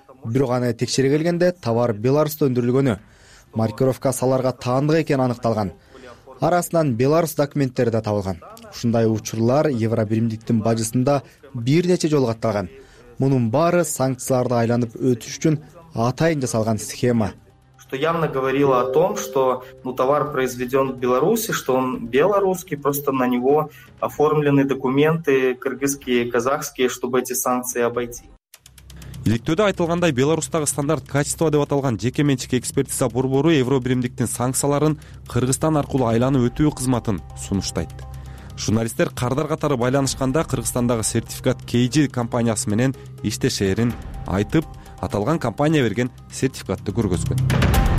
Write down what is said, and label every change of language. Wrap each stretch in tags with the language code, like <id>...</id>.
<ky>Бирок аны текшере келгенде товар Беларусьта өндүрүлгөнү, маркировка саларга таандык экени аныкталган. Арасынан Беларусь документтери да табылган. Ушундай учурлар Евробиримдиктин бажысында бир нече жолу катталган. Мунун баары санкцияларды айланып өтүш үчүн атайын жасалган схема.</ky> <ru>Что явно говорило о том, что ну, товар произведен в Беларуси, что он белорусский, просто на него оформлены документы кыргызские, казахские, чтобы эти санкции обойти.</ru> <ky>Иликтөөдө айтылгандай, Беларусьтагы стандарт качества деп аталган жеке менчик экспертиза борбору Евробиримдиктин санкцияларын Кыргызстан аркылуу айланып өтүү кызматын сунуштайт. Журналисттер кардар катары байланышканда Кыргызстандагы сертификат KG компаниясы менен иштешерин айтып, аталган компания берген сертификатты көргөзгөн.</ky>